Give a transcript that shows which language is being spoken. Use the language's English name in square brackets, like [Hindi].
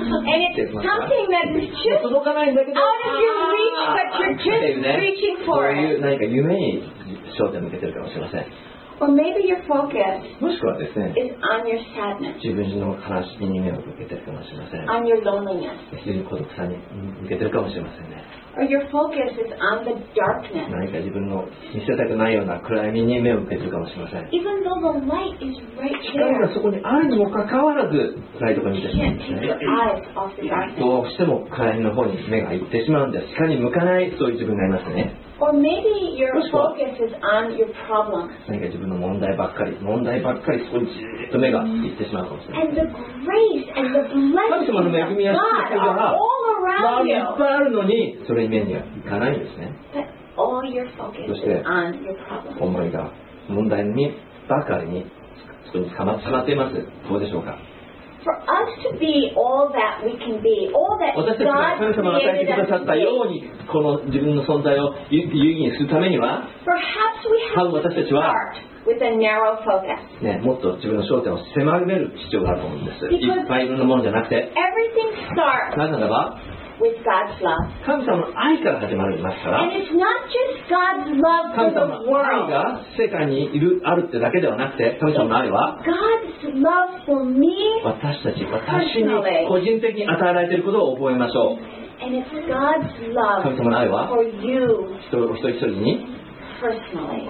[English] And it's something that's just out of your reach, but you're just reaching for it. [Japanese] なんか夢に焦点を向けてるかもしれません。 [English] Or maybe your focus is on your sadness. [Japanese] 自分の悲しみに目を向けてるかもしれません。 [English] On your loneliness. [Japanese] 自分の孤独さに向けてるかもしれませんね。 [English] Or your focus is on the darkness. [Japanese] 何か自分の見せたくないような暗闇に目を向けてるかもしれません。 [English] Even though the light is right there. [Japanese] 光がそこにあるにもかかわらず暗いところに見てしまうんですね。 [English] You can't take your eyes off the darkness. [Japanese] どうしても暗闇の方に目が行ってしまうんで、光に向かないそういう自分がいますね。 [English] Or maybe your focus is on your problem. [Japanese] 何か自分の問題ばっかりそこにじっと目が行ってしまうかもしれません。 [English] And the grace and the blessing of God are all around you. [Japanese] 周りいっぱいあるのに、それに目には行かないんですね。 [English] But all your focus is on your problem. [Japanese] 思いが問題にばかりにそこに捕まっています。どうでしょうか。 [English] For us to be all that we can be, all that God created us to be. [Japanese] 神様が与えてくださったようにこの自分の存在を有意義にするためには、 [English] perhaps we have to start with a narrow focus. [Japanese] ね、もっと自分の焦点を狭める必要があると思うんです。いっぱいいろんなものじゃなくて、 [English] everything starts. [Japanese] なぜならば、 [English] with God's love. [Japanese] 神様の愛から始まりますから。 [English] And it's not just God's love for the world. [Japanese] 神様の愛が世界にいるあるってだけではなくて、神様の愛は、 [English] God's love for me. [Japanese] 私に個人的に与えられていることを覚えましょう。 [English] And it's God's love. [Japanese] 神様の愛は、 [English] for you. [Japanese] 一人一人に、 [English] personally.